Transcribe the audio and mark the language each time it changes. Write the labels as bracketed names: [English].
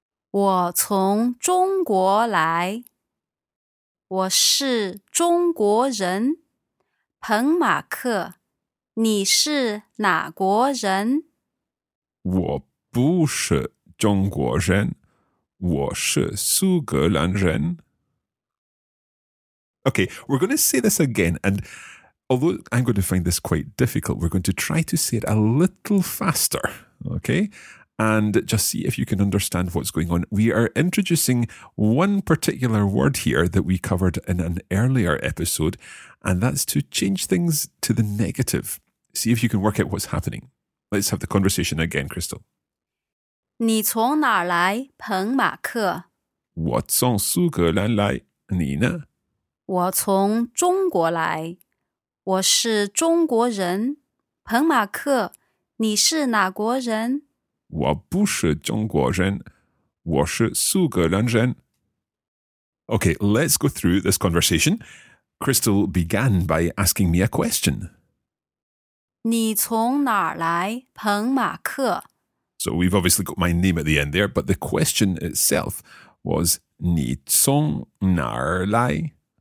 [Chinese] 我从中国来，我是中国人。彭马克，你是哪国人？我不是中国人，我是苏格兰人。 [English] Okay, we're going to say this again, and although I'm going to find this quite difficult, we're going to try to say it a little faster, okay? And just see if you can understand what's going on. We are introducing one particular word here that we covered in an earlier episode, and that's to change things to the negative. See if you can work out what's happening. Let's have the conversation again, Crystal. [Chinese] 你从哪来,彭马克? 我从苏格兰来,你呢? 我从中国来,我是中国人。彭马克,你是哪国人? 我不是中国人,我是苏格兰人。 [English] Okay, let's go through this conversation. Crystal began by asking me a question. [Chinese] 你从哪儿来,彭马克? [English] So we've obviously got my name at the end there, but the question itself was [Chinese] 你从哪儿来?